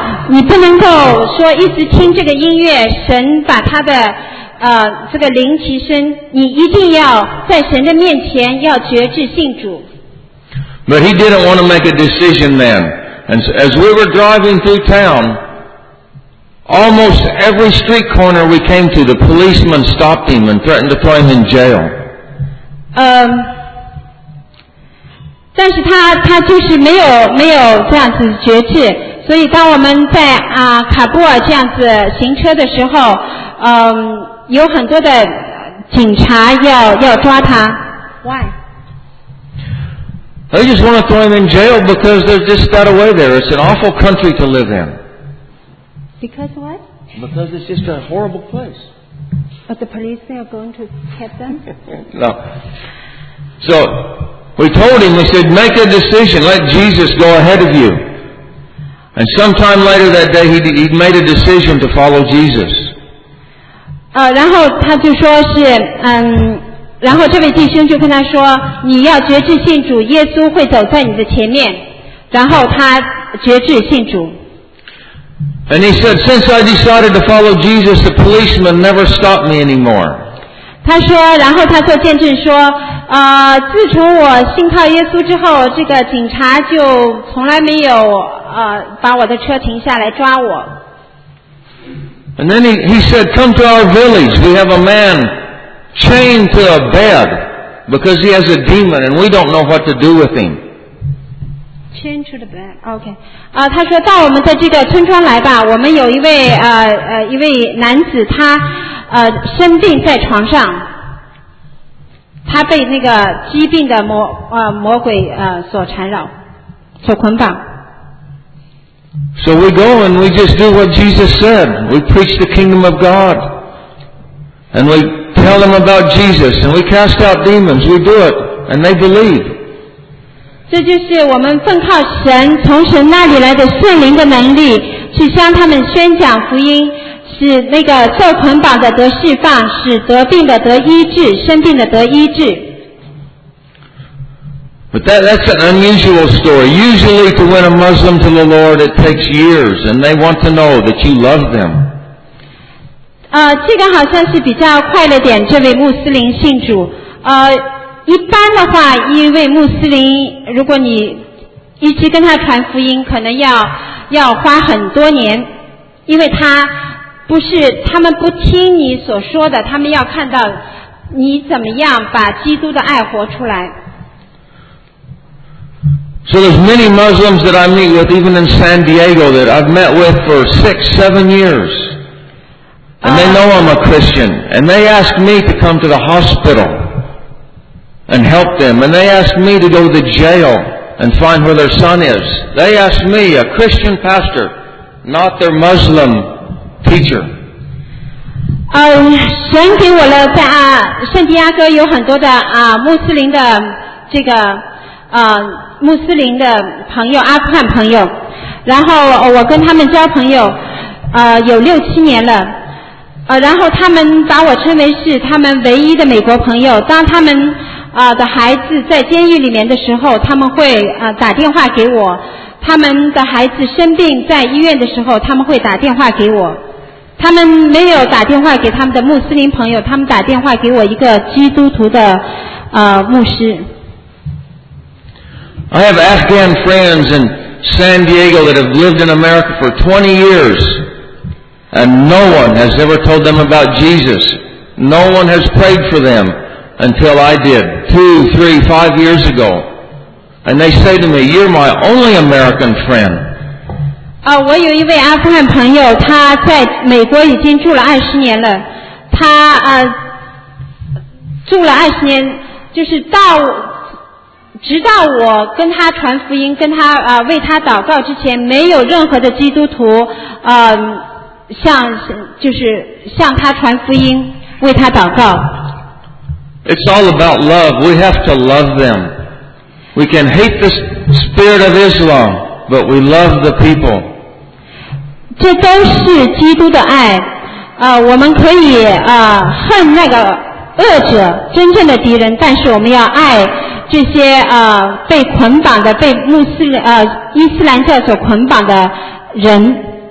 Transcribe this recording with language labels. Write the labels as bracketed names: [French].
[Chinese] 你不能够说一直听这个音乐，神把他的这个灵提升，你一定要在神的面前要决志信主。 [English] But he didn't want to make a decision then. And as we were driving through town, almost every street corner we came to, the policeman stopped him and threatened to put him in jail. [Chinese] 但是他就是没有这样子觉知，所以当我们在喀布尔这样子行车的时候，有很多的警察要抓他。 [English] Why? They just want to throw him in jail because they're just got away there. It's an awful country to live in. Because what? Because it's just a horrible place. But the police, they are going to catch them? No. So,We told him, we said, make a decision, let Jesus go ahead of you. And sometime later that day, he made a decision to follow Jesus. [Chinese] 然后他就说是，然后这位弟兄就跟他说，你要决志信主，耶稣会走在你的前面。然后他决志信主。 [English] And he said, since I decided to follow Jesus, the policeman never stopped me anymore. [Chinese] 他说，然后他做见证说，自从我信靠耶稣之后，这个警察就从来没有把我的车停下来抓我。 [English] And then he said, "Come to our village. We have a man chained to a bed because he has a demon, and we don't know what to do with him." Chained to the bed. Okay. [Chinese] 他说到我们的这个村庄来吧，我们有一位一位男子，他生病在床上。他被那个疾病的魔鬼所缠绕，所捆绑。 [English] So we go and we just do what Jesus said. We preach the kingdom of God. And we tell them about Jesus. And we cast out demons. We do it. And they believe. [Chinese] 这就是我们奉靠神，从神那里来的圣灵的能力，去向他们宣讲福音，使那个受捆绑的得释放，使得病的得医治，生病的得医治。 [English] But that's an unusual story. Usually to win a Muslim to the Lord, it takes years, and they want to know that you love them. [Chinese] 这个好像是比较快了点，这位穆斯林信主。一般的话，一位穆斯林，如果你一直跟他传福音，可能要花很多年，因为他们不听你所说的，他们要看到你怎么样把基督的爱活出来。 [English] So there's many Muslims that I meet with, even in San Diego, that I've met with for 6-7 years, and they know I'm a Christian, and they ask me to come to the hospital and help them, and they ask me to go to the jail and find where their son is. They ask me, a Christian pastor, not their Muslim teacher. [Chinese] 神给我了在圣地亚哥有很多的穆斯林的这个穆斯林的朋友，阿富汗朋友，然后我跟他们交朋友有6-7年了，然后他们把我称为是他们唯一的美国朋友。当他们的孩子在监狱里面的时候，他们会打电话给我，他们的孩子生病在医院的时候，他们会打电话给我，他们没有打电话给他们的穆斯林朋友，他们打电话给我一个基督徒的牧师。 [English] I have Afghan friends in San Diego that have lived in America for 20 years and no one has ever told them about Jesus. No one has prayed for them until I did 2, 3, 5 years ago. And they say to me, you're my only American friend. [Chinese] 我有一位阿富汗朋友，他在美国已经住了20年了。他住了20年，就是直到我跟他传福音，跟他为他祷告之前，没有任何的基督徒向他传福音，为他祷告。 [English] It's all about love. We have to love them. We can hate the spirit of Islam, but we love the people. [Chinese] 这都是基督的爱。我们可以恨那个恶者，真正的敌人，但是我们要爱这些被捆绑的，被穆斯林伊斯兰教所捆绑的人。